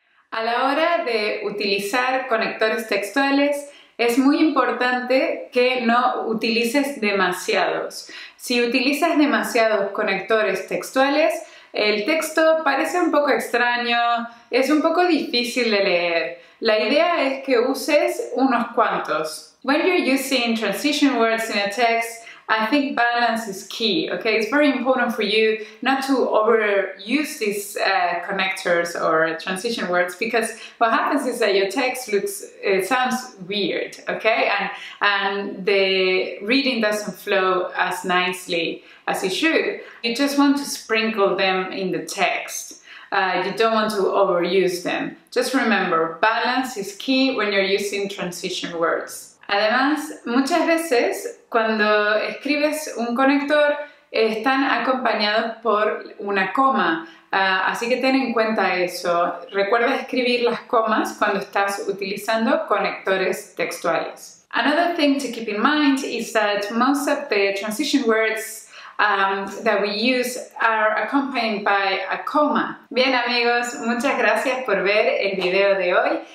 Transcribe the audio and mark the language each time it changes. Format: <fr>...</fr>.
<es>a la hora de utilizar conectores textuales, es muy importante que no utilices demasiados. Si utilizas demasiados conectores textuales, el texto parece un poco extraño, es un poco difícil de leer. La idea es que uses unos cuantos.</es> <en>When you're using transition words in a text, I think balance is key, okay? It's very important for you not to overuse these connectors or transition words, because what happens is that your text looks, it sounds weird, okay? And the reading doesn't flow as nicely as it should. You just want to sprinkle them in the text. You don't want to overuse them. Just remember, balance is key when you're using transition words.</en> <es>Además, muchas veces cuando escribes un conector están acompañados por una coma, así que ten en cuenta eso. Recuerda escribir las comas cuando estás utilizando conectores textuales.</es> <en>Another thing to keep in mind is that most of the transition words that we use are accompanied by a coma.</en> <es>Bien amigos, muchas gracias por ver el video de hoy.</es>